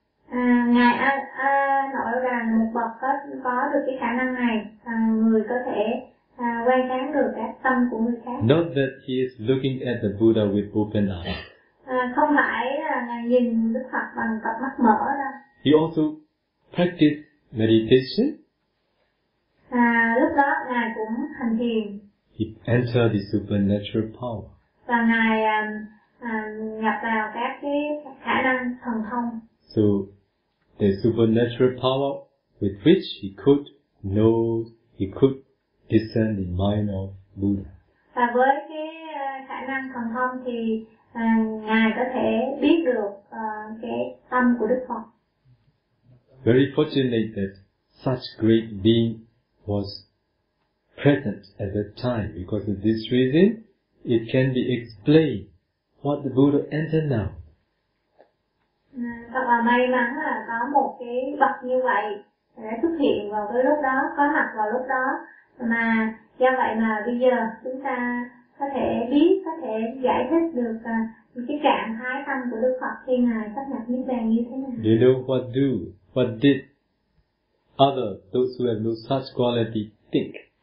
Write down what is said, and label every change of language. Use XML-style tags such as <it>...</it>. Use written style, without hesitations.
<vi>Ngài Aniruddha là một bậc có được cái khả năng này, người có thể quan sát được các tâm của người khác.</vi> <en>Not that he is looking at the Buddha with open eyes.</en> <vi>Không phải là ngài nhìn Đức Phật bằng cặp mắt mở đâu.</vi> <en>He also practiced meditation.</en> <vi>Lúc đó ngài cũng hành thiền.</vi> <en>He entered the supernatural power.</en> <vi>Và ngài nhập vào các cái khả năng thần thông.</vi> <en>So the supernatural power with which he could know, he could discern the mind of Buddha.</en> <vi>Và với cái khả năng thần thông thì ngài có thể biết được cái tâm của Đức Phật.</vi> <en>Very fortunate that such great being was present at that time, because of this reason, it can be explained what the Buddha entered now.</en> <vi>Thật là may mắn là có một cái bậc như vậy đã xuất hiện vào cái lúc đó, có mặt vào lúc đó. Mà do vậy mà bây giờ chúng ta có thể biết, có thể giải thích được cái trạng thái tâm của Đức Phật khi ngài sắp nhập Niết Bàn như thế nào.</vi> <en>Do you know what do, what did other, those who have no such quality, think?</en>